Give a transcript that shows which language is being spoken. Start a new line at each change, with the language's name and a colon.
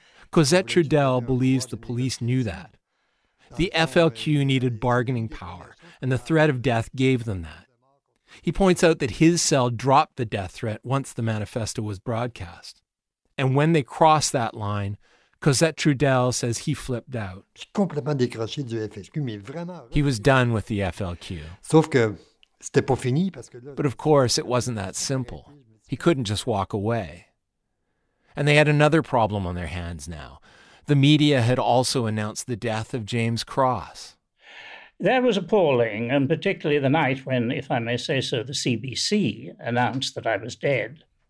English: Cosette Trudel believes the police knew that. The FLQ needed bargaining power, and the threat of death gave them that. He points out that his cell dropped the death threat once the manifesto was broadcast. And when they crossed that line, Cosette Trudel says he flipped out.
French: Complètement décroché du FLQ, mais vraiment...
English: He was done with the FLQ.
French: Sauf que c'était pas fini parce que là...
English: But of course, it wasn't that simple. He couldn't just walk away. And they had another problem on their hands now. The media had also announced the death of James Cross. That was appalling, and particularly the night when, if I may say so, the CBC announced that I was dead.